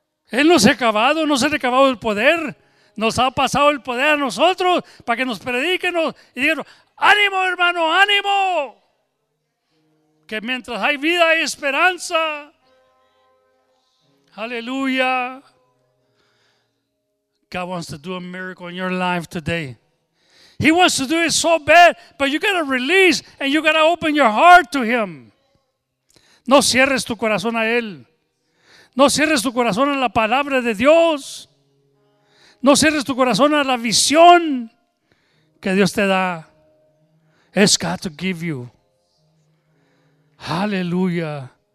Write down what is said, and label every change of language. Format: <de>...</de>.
<es>Él no se ha acabado, no se le ha acabado el poder. Nos ha pasado el poder a nosotros para que nos prediquen y digan, ánimo, hermano, ánimo. Que mientras hay vida hay esperanza. Aleluya.</es> <en>God wants to do a miracle in your life today. He wants to do it so bad, but you got to release and you got to open your heart to him.</en> <es>No cierres tu corazón a él. No cierres tu corazón a la palabra de Dios. No cierres tu corazón a la visión que Dios te da.</es> <en>It's got to give you. Hallelujah.</en>